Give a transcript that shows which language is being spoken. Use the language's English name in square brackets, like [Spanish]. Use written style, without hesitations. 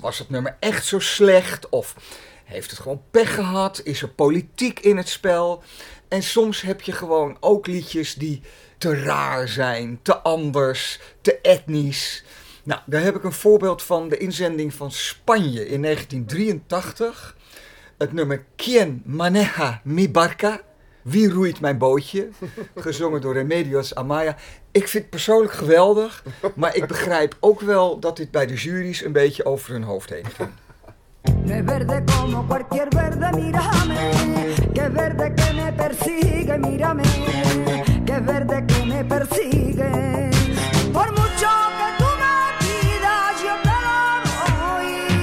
[Dutch] Was het nummer echt zo slecht? Of heeft het gewoon pech gehad? Is er politiek in het spel? En soms heb je gewoon ook liedjes die te raar zijn, te anders, te etnisch. Nou, daar heb ik een voorbeeld van de inzending van Spanje in 1983. Het nummer ¿Quién maneja mi barca? Wie roeit mijn bootje? Gezongen door Remedios Amaya. Ik vind het persoonlijk geweldig, maar ik begrijp ook wel dat dit bij de jury's een beetje over hun hoofd heen ging. [Spanish] Me verde como cualquier verde, mírame. Que verde que me persigue, mírame. Que verde que me persigue. Por mucho que tú me pidas, yo te lo doy.